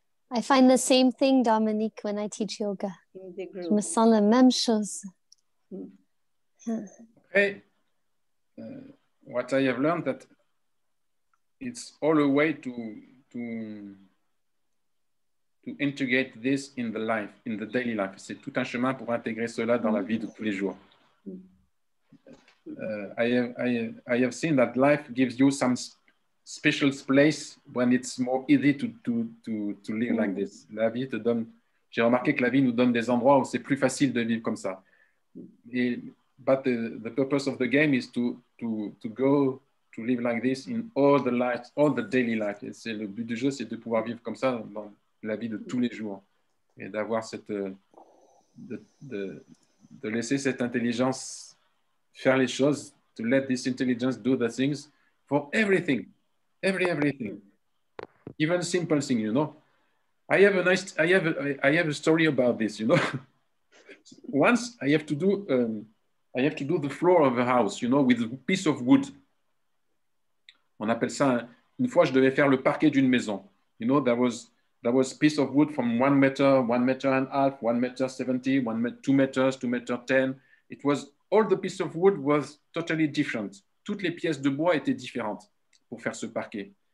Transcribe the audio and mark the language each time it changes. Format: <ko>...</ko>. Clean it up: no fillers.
<en>I find the same thing, Dominique, when I teach yoga.</en> <fr>Je me sens la même chose.</fr> <en>Hey, what I have learned that it's all a way to integrate this in the life, in the daily life.</en> <fr>C'est tout un chemin pour intégrer cela dans la vie de tous les jours.</fr> <en>I have seen that life gives you some special place when it's more easy to live like this.</en> <fr>La vie te donne. J'ai remarqué que la vie nous donne des endroits où c'est plus facile de vivre comme ça.</fr> <en>But the purpose of the game is to go to live like this in all the life, all the daily life.</en> <fr>Et c'est le but du jeu, c'est de pouvoir vivre comme ça dans la vie de tous les jours et d'avoir cette de laisser cette intelligence faire les choses.</fr> <en>To let this intelligence do the things for everything. Everything, even simple thing, you know. I have a story about this, you know. Once I have to do the floor of a house, you know, with a piece of wood.</en> <fr>On appelle ça une fois je devais faire le parquet d'une maison.</fr> <en>You know, there was piece of wood from 1 meter, 1 meter and a half, 1 meter 70, 2 meters, 2 meter 10. It was all the piece of wood was totally different.</en> <fr>Toutes les pièces de bois étaient différentes. Pour faire ce parquet.</fr>